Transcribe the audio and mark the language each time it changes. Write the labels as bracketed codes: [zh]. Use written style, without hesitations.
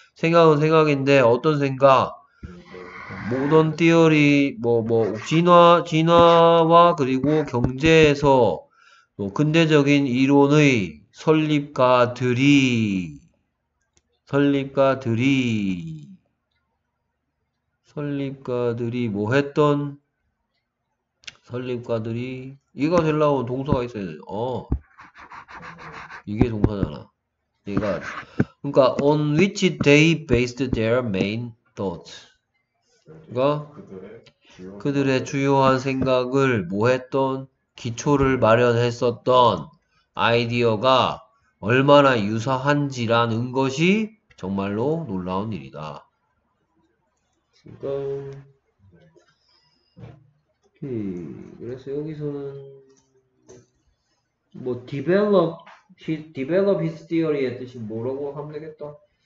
[ko] 생각은 생각인데 어떤 생각? 모던 띠어리 진화와 그리고 경제에서 뭐 근대적인 이론의 설립가들이 뭐 했던 설립가들이 이거 되려면 동사가 있어야 돼. 이게 동사잖아. 얘가 그러니까 [en] on which they based their main thoughts. [ko] 그가 그들의 주요 그들의 생각을 주요한 생각을 뭐 했던 기초를 마련했었던 아이디어가 얼마나 유사한지라는 것이 정말로 놀라운 일이다. 지금 그래서 여기서는 뭐 [en] develop his theory [ko] 의 뜻이 뭐라고 하면 되겠다.